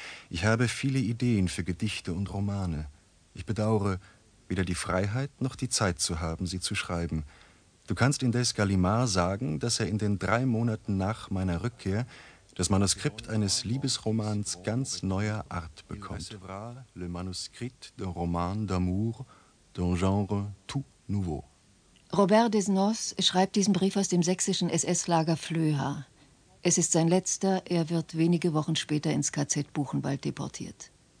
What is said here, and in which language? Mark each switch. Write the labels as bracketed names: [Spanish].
[German] Ich habe viele Ideen für Gedichte und Romane. Ich bedauere, weder die Freiheit noch die Zeit zu haben, sie zu schreiben. Du kannst indes Gallimard sagen, dass er in den 3 Monaten nach meiner Rückkehr das Manuskript eines Liebesromans ganz neuer Art bekommt. [French] Le manuscrit d'un roman d'amour d'un genre tout nouveau. [German] Robert Desnos schreibt diesen Brief aus dem sächsischen SS-Lager Flöha. Es ist sein letzter, er wird wenige Wochen später ins KZ Buchenwald deportiert.